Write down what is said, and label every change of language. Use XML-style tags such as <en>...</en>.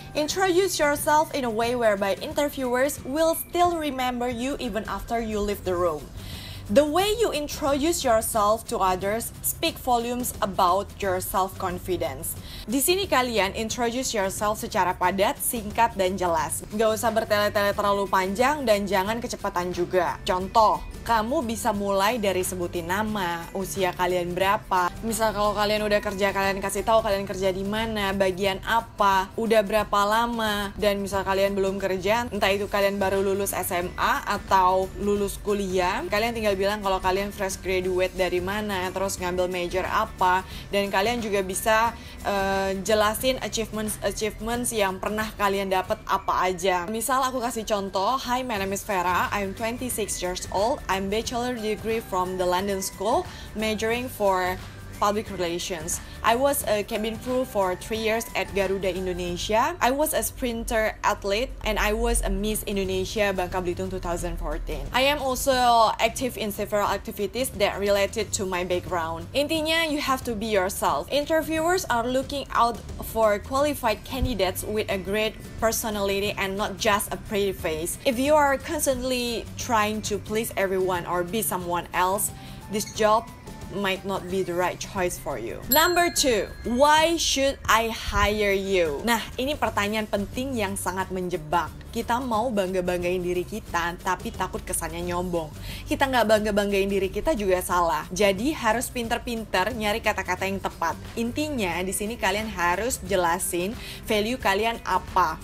<en>Introduce yourself in a way whereby interviewers will still remember you even after you leave the room. The way you introduce yourself to others speak volumes about your self-confidence.</en> <id>Di sini kalian</id> <en>introduce yourself</en> <id>secara padat, singkat, dan jelas. Gak usah bertele-tele terlalu panjang dan jangan kecepatan juga. Contoh, kamu bisa mulai dari sebutin nama, usia kalian berapa. Misal kalau kalian udah kerja, kalian kasih tahu kalian kerja di mana, bagian apa, udah berapa lama. Dan misal kalian belum kerja, entah itu kalian baru lulus SMA atau lulus kuliah, kalian tinggal bilang kalau kalian fresh graduate dari mana, terus ngambil major apa. Dan kalian juga bisa jelasin achievements yang pernah kalian dapat apa aja. Misal aku kasih contoh,</id> <en>hi my name is Vera, I'm 26 years old, I'm bachelor degree from the London School, majoring for public relations. I was a cabin crew for 3 years at Garuda Indonesia. I was a sprinter athlete and I was a Miss Indonesia Bangka Belitung 2014. I am also active in several activities that related to my background.</en> <id>Intinya,</id> <en>you have to be yourself. Interviewers are looking out for qualified candidates with a great personality and not just a pretty face. If you are constantly trying to please everyone or be someone else, this job might not be the right choice for you. Number 2, why should I hire you?</en> <id>Nah, ini pertanyaan penting yang sangat menjebak. Kita mau bangga-banggain diri kita, tapi takut kesannya nyombong. Kita nggak bangga-banggain diri kita juga salah. Jadi harus pinter-pinter nyari kata-kata yang tepat. Intinya di sini kalian harus jelasin value kalian apa.</id>